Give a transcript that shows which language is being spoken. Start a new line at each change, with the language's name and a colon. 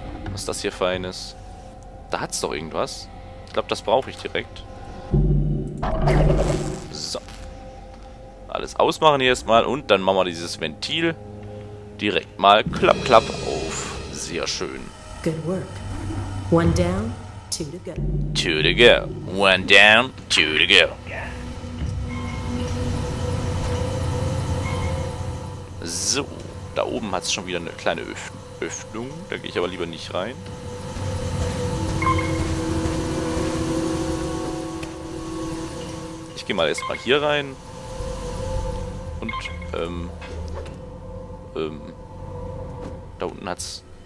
German: Was ist das hier Feines? Da hat es doch irgendwas. Ich glaube, das brauche ich direkt. So. Alles ausmachen hier erstmal und dann machen wir dieses Ventil direkt mal klapp, klapp auf. Sehr schön.
English: Good work. One down, two to go. Two to go. One down, two to go.
German: So, da oben hat es schon wieder eine kleine Öffnung. Da gehe ich aber lieber nicht rein. Ich gehe mal erstmal hier rein. Und, da unten hat's.